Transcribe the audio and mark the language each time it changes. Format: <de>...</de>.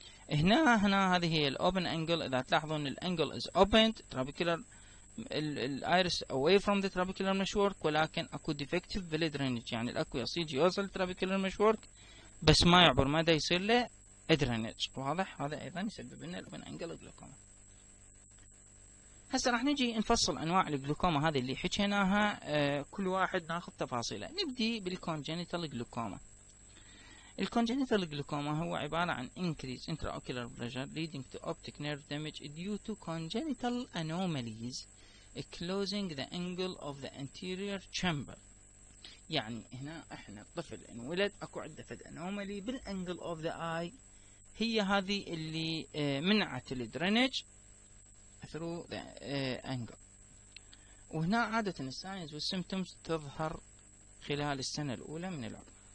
<ar>هنا هذه هي الاوبن انجل. اذا تلاحظون</ar> <en>الانجل is opened trabecular الايريس away from the trabecular meshwork,</en> <ar>ولكن اكو ديفكتيف بالدرينج، يعني الاكويس يجي يوصل الترابيكولار مشورك بس ما يعبر مدى يصير له ادرينج. واضح. هذا ايضا يسبب لنا الاوبن انجل جلوكوما. هسه راح نجي نفصل انواع الجلوكوما هذه اللي حكيناها، كل واحد ناخذ تفاصيله. نبدي بالكونجنيتال جلوكوما. الكونجنيتال جلوكوما هو عباره عن</ar> <en>increase intraocular pressure leading to optic nerve damage due to congenital anomalies closing the angle of the anterior chamber.</en> <ar>يعني هنا احنا الطفل انولد اكو عنده فد انومالي بالانجل اوف ذا اي، هي هذه اللي منعت الدرينج</ar> <en>through the angle.</en> <ar>وهنا عادة الساينز والسيمتومز تظهر خلال السنة الأولى من العمر.</ar>